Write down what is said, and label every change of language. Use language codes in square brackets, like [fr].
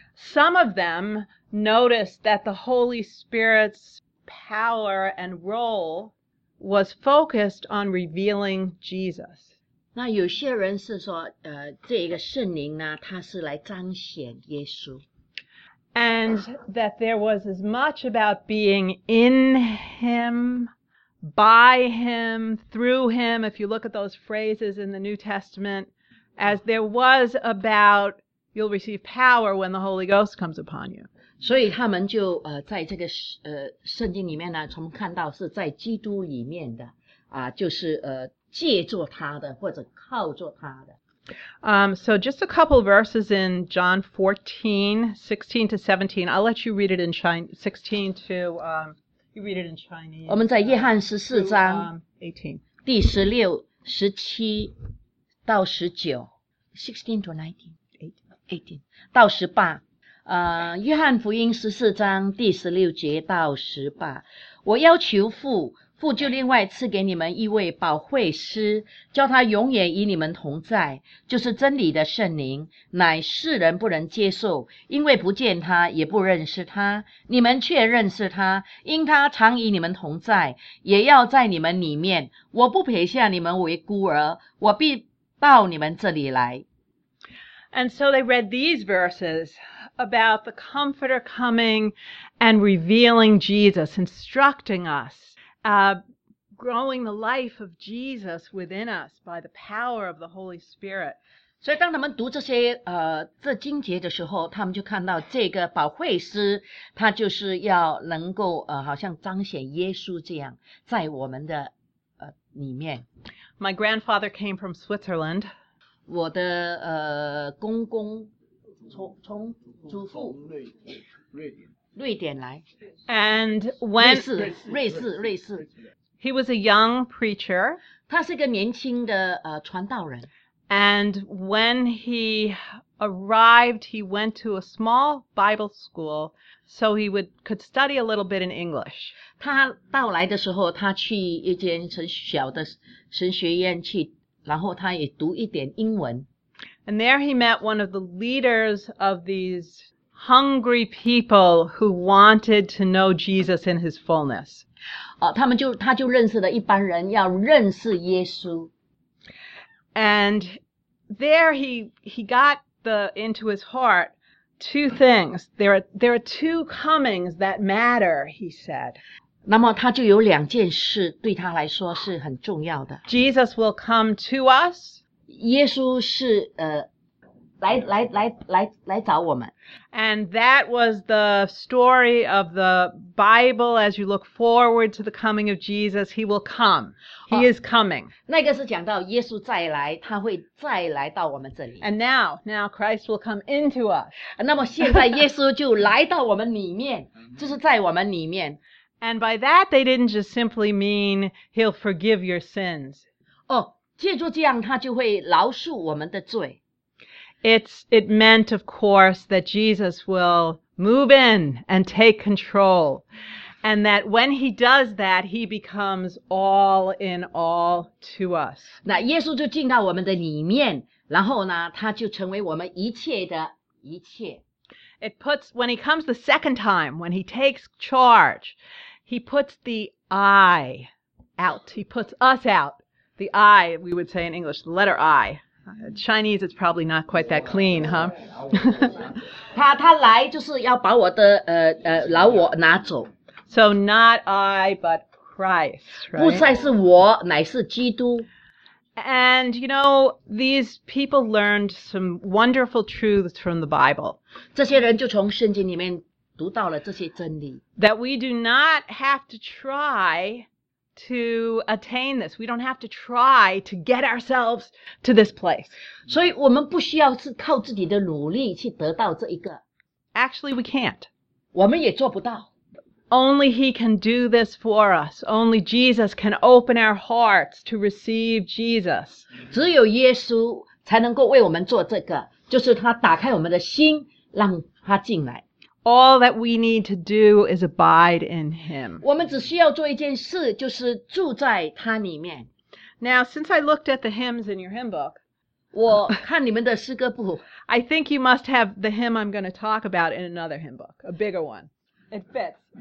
[en] Some of them noticed that the Holy Spirit'spower and role was focused on revealing Jesus. [zh] 那有些人是说这个圣灵呢它是来彰显耶稣。 [en] And that there was as much about being in him, by him, through him, if you look at those phrases in the New Testament, as there was about you'll receive power when the Holy Ghost comes upon you. [zh] 所以他们就在这个圣经里面呢，从看到是在基督里面的就是借助他的或者靠助他的。 [en] So just a couple verses in John 14, 16 to 17. I'll let you read it in Chinese. 16 to you read it in Chinese. [zh] 我们在约翰十四章第十六、十七到十九 ， [en] 16 to 19, [zh] 18到十八。约翰福音十四章第十六节到十八，我要求父，父就另外赐给你们一位保惠师，叫他永远与你们同在，就是真理的圣灵，乃世人不能接受，因为不见他，也不认识他，你们却认识他，因他常与你们同在，也要在你们里面。我不撇下你们为孤儿，我必到你们这里来。 [en] And so they read these verses about the Comforter coming and revealing Jesus, instructing us, growing the life of Jesus within us by the power of the Holy Spirit. [zh] 所以当他们读这些这经节的时候，他们就看到这个保惠师，他就是要能够好像彰显耶稣这样在我们的里面。 [en] My grandfather came from Switzerland. [zh] 我的公公从祖父瑞典来。 [en] And when [zh] 瑞士。 [en] He was a young preacher. [zh] 他是个年轻的传道人。 [en] And when he arrived, he went to a small Bible school so he could study a little bit in English. [zh] 他到来的时候，他去一间很小的神学院去，然后他也读一点英文。 [en] And there he met one of the leaders of these hungry people who wanted to know Jesus in his fullness. [zh] 他就认识了一帮人要认识耶稣。 [en] And there he got into his heart two things. There are two comings that matter, he said. [zh] 那么他就有两件事对他来说是很重要的。 [en] Jesus will come to us. [zh] 耶稣是来找我们。 [en] And that was the story of the Bible as you look forward to the coming of Jesus. He will come. He is coming. [zh] 那个是讲到耶稣再来，他会再来到我们这里。 [en] And now Christ will come into us. [zh] 那么现在耶稣就来到我们里面，就是在我们里面。 [en] And by that, they didn't just simply mean he'll forgive your sins. [zh] 借助这样他就会饶恕我们的罪。 [en] It meant, of course, that Jesus will move in and take control. And that when he does that, he becomes all in all to us. [zh] 那耶稣就进到我们的里面，然后呢，他就成为我们一切的一切。 [en] It puts, when he comes the second time, when he takes charge, he puts the I out. He puts us out. The I, we would say in English, the letter I. Chinese, it's probably not quite that clean, huh? [zh] 他来就是要把我的老我拿走。 [en] So not I, but Christ, right? [zh] 不再是我，乃是基督。 [en] And, you know, these people learned some wonderful truths from the Bible. [zh] 这些人就从圣经里面读到了这些真理。 [en] That we do not have to try... to attain this. We don't have to try to get ourselves to this place. [zh] 所以我们不需要是靠自己的努力去得到这一个。 [en] Actually, we can't. [zh] 我们也做不到。 [en] Only he can do this for us. Only Jesus can open our hearts to receive Jesus. [zh] 只有耶稣才能够为我们做这个，就是他打开我们的心，让他进来。 [en] All that we need to do is abide in him. [zh] 我们只需要做一件事，就是住在他里面。 [en] Now, since I looked at the hymns in your hymn book, [zh] 我看你们的诗歌簿。 [en] I think you must have the hymn I'm going to talk about in another hymn book, a bigger one. It fits.